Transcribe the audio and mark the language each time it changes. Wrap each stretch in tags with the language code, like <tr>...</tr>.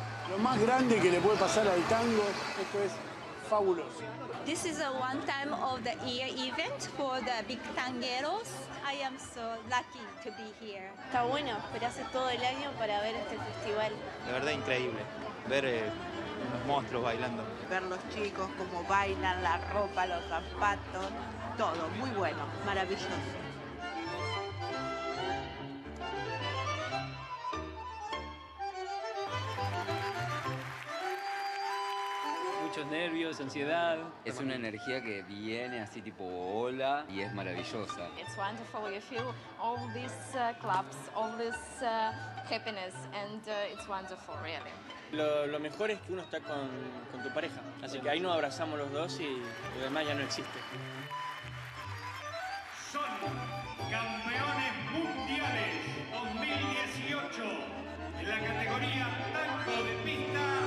<es>Lo más grande que le puede pasar al tango, esto es fabuloso.</es> <en>This is a one time of the year event for the big tangueros. I am so lucky to be here.</en> <es>Está bueno, pero hace todo el año para ver este festival. De verdad, increíble ver los monstruos bailando. Ver los chicos cómo bailan, la ropa, los zapatos, todo, muy bueno, maravilloso. Muchos nervios, ansiedad. Es una energía que viene así tipo ola y es maravillosa.</es> <en>It's wonderful. You feel all these claps, all this happiness, and it's wonderful, really.</en> <es>Lo mejor es que uno está con tu pareja, así que ahí nos abrazamos los dos y lo demás ya no existe. Son campeones mundiales 2018 en la categoría tango de pista.</es>